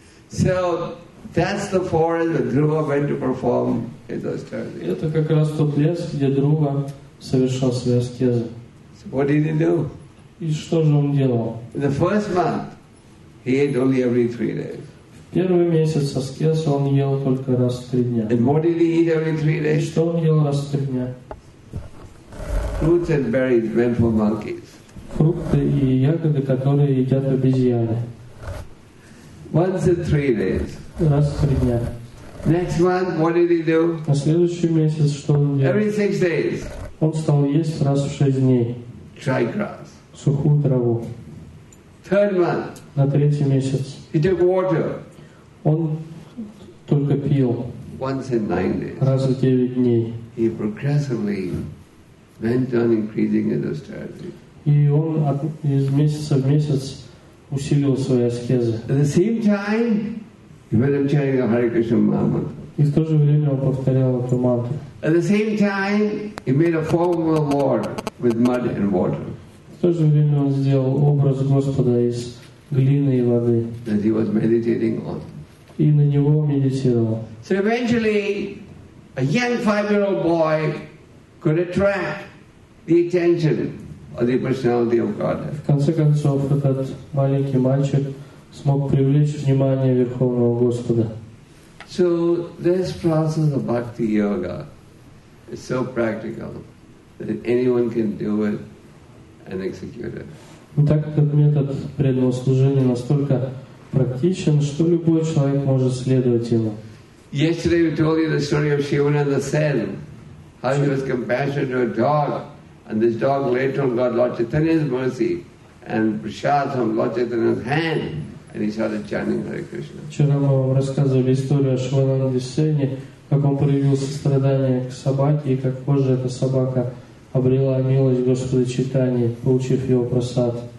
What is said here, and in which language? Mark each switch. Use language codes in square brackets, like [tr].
[en] So that's the forest where Dhruva went to perform his austerity. [ru] Это как раз тот лес, где Друва совершал свои аскезы. [en] So what did he do? [ru] И что же он делал? [en] In the first month, he ate only every 3 days. [ru] В первый месяц аскез он ел только раз в 3 дня. [en] And what did he eat every 3 days? [ru] И что он ел раз в 3 дня? [en] Fruits and berries meant for monkeys. [ru] Фрукты и ягоды, которые едят обезьяны. [en] Once in 3 days. [ru] Раз в 3 дня. [en] Next month, what did he do? [ru] На следующий месяц что он делал? [en] Every 6 days. [ru] Он стал есть раз в 6 дней. [en] Dry grass. [ru] Сухую траву. [en] Third month. [ru] На третий месяц. [en] He took water. [ru] Он только пил. [en] Once in 9 days. [ru] Раз в 9 дней. [en] He progressively went on increasing his austerity. [ru] И он из месяца в месяц усилил свои аскезы. [en] At the same time, he went on chanting Hare Krishna mantra. [ru] И в то же время он повторял эту мантру. [en] At the same time, he made a form of Lord with mud and water. [ru] В то же время он сделал образ Господа из глины и воды. [en] That he was meditating on. [ru] И на него медитировал. [en] So eventually, a young 5-year-old boy could attract the attention of the personality of God. [ru] В конце концов, этот маленький мальчик смог привлечь внимание Верховного Господа. [en] So this process of bhakti yoga is so practical that anyone can do it and execute it. [ru] Так этот метод преданного служения настолько практичен, что любой человек может следовать ему. [en] Yesterday we told you the story of Shivananda Sen, how he was compassionate to a dog, and this dog later on got Lord Chaitanya's mercy and prasad from Lord Chaitanya's hand. [ru] Вчера мы вам рассказывали историю о Шивананде Сене, как он проявил сострадание к собаке, и как позже эта собака обрела милость Господа Чайтаньи, получив его просад.